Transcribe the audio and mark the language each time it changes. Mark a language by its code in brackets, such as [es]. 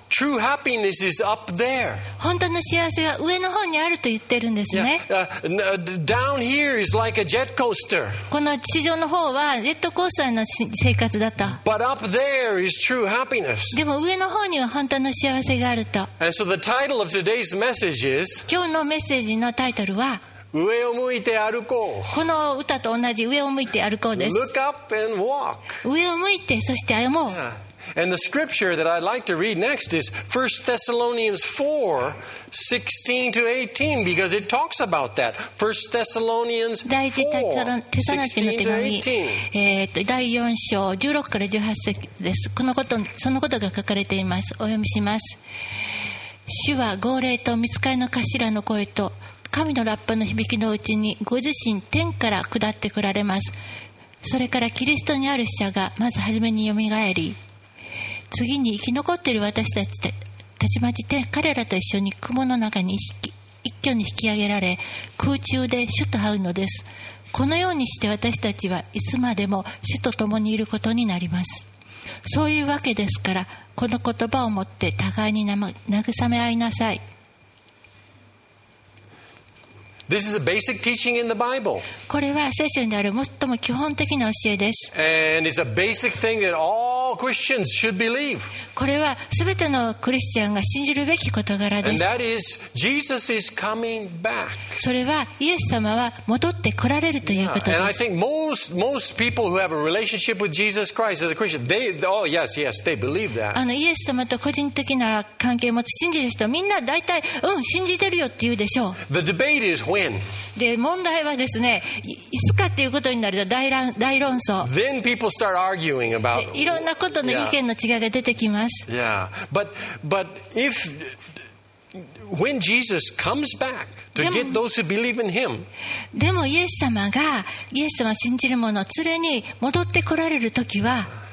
[en] True happiness is up there. [ja] 本当の幸せは上の方にあると言ってるんですね。 [en] Down here is like a jet coaster. [ja] この地上の方はジェットコースターの生活だと。 [en] But up there is true happiness. [ja] でも上の方には本当の幸せがあると。 [en] And so the title of today's message is. [ja] 今日のメッセージのタイトルは。上を向いて歩こう。この歌と同じ上を向いて歩こうです。 [en] Look up and walk. [ja] 上を向いてそして歩もう。 [en] Yeah. And the scripture that I'd like to read next is 1 Thessalonians 4, 16 to 18, because it talks about that. 1 Thessalonians 4, 16 to [ja] 18. 第4章16から18節です。このこと、そのことが書かれています。お読みします。主は号令と御使いの頭の声と神のラッパの響きのうちにご自身天から下ってくられます。それからキリストにある使者がまず初めによみがえり、次に生き残っている私たちでたちまちて彼らと一緒に雲の中に一挙に引き上げられ空中で主と会うのです。このようにして私たちはいつまでも主と共にいることになります。そういうわけですから、この言葉をもって互いに慰め合いなさい。 [en] This is a basic teaching in the Bible. [ja] これは聖書にある最も基本的な教えです。 [en] And it's a basic thing that allChristians should believe. [ja] これは全てのクリスチャンが信じるべき事柄です。 [en] And that is Jesus is coming back. [ja] それはイエス様は戻ってこられるということです。 [en] Yeah. And I think most people who have a relationship with Jesus Christ as a Christian, they believe that. [ja] あのイエス様と個人的な関係を持つ信じる人、みんな大体うん信じてるよって言うでしょう。 [en] The debate is when. [ja] で問題はですね、いつかっていうことになると大論争。 [en] Then people start arguing about. [ja] そんなことの意見の違いが出てきます。 [en] Yeah. But if when Jesus comes back to get those who believe in him, [ja] でもイエス様がイエス様を信じる者を連れに戻ってこられるときは、